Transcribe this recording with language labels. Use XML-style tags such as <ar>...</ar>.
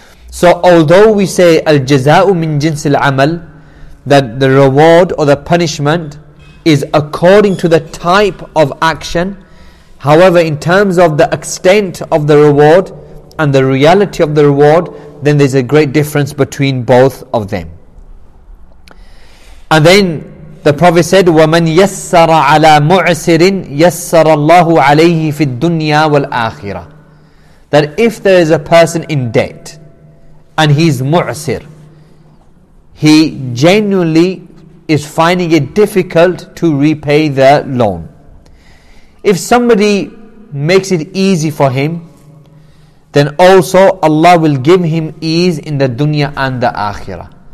<en>So although we say al-jaza'u min jins al-amal, that the reward or the punishment is according to the type of action, however in terms of the extent of the reward and the reality of the reward, then there's a great difference between both of them.</en> <ar>And then the Prophet said, وَمَنْ يَسَّرَ عَلَىٰ مُعْسِرٍ يَسَّرَ اللَّهُ عَلَيْهِ فِي الدُّنْيَا وَالْآخِرَةِ.</ar> <en>That if there is a person in debt, and he's mu'asir, he genuinely is finding it difficult to repay the loan. If somebody makes it easy for him, then also Allah will give him ease in the dunya and the akhirah.</en>